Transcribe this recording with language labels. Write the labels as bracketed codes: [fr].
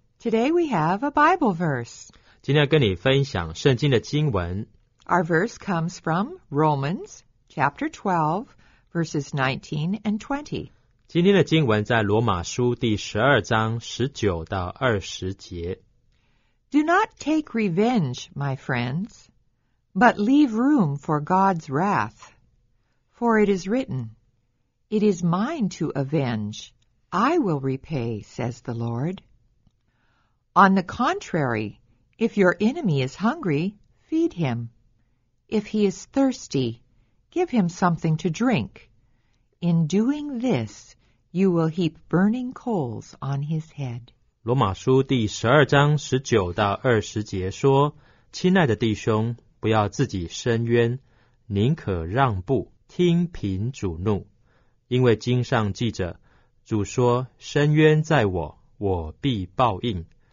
[en] Today we have a Bible verse. [zh] 今天要跟你分享圣经的经文。 [en] Our verse comes from Romans chapter 12, verses 19 and 20. [zh] 今天的经文在罗马书第12章19到20节。 [en] Do not take revenge, my friends, but leave room for God's wrath. For it is written, It is mine to avenge. I will repay, says the Lord. On the contrary, if your enemy is hungry, feed him. If he is thirsty, give him something to drink. In doing this, you will heap burning coals on his head. [zh] 罗马书第十二章十九到二十节说：亲爱的弟兄，不要自己伸冤，宁可让步，听凭主怒。因为经上记着，主说：伸冤在我，我必报应。